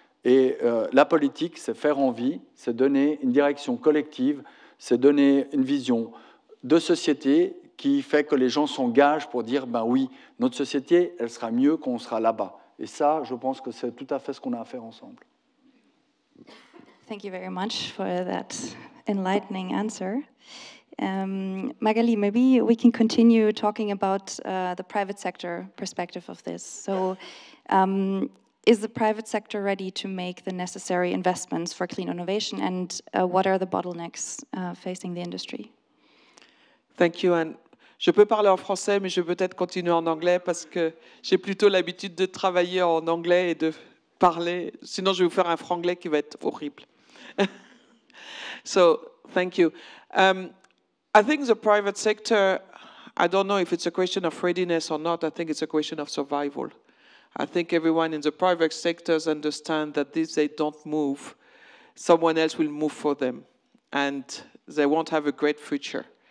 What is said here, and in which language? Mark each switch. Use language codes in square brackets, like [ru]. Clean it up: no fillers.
[fr] Et la politique, c'est faire envie, c'est donner une direction collective, c'est donner une vision de société qui fait que les gens s'engagent pour dire « ben oui, notre société, elle sera mieux quand on sera là-bas ». Et ça, je pense que c'est tout à fait ce qu'on a à faire ensemble. [en] Thank you very much for that enlightening answer. Magali, maybe we can continue talking about the private sector perspective of this. So, is the private sector ready to make the necessary investments for clean innovation, and what are the bottlenecks facing the industry? Thank you, Anne. [fr] Je peux parler en français, mais je vais peut-être continuer en anglais parce que j'ai plutôt l'habitude de travailler en anglais et de parler. Sinon, je vais vous faire un franglais qui va être horrible. [en] So, thank you. I think the private sector, I don't know if it's a question of readiness or not. I think it's a question of survival. I think everyone in the private sectors understand that if they don't move, someone else will move for them, and they won't have a great future.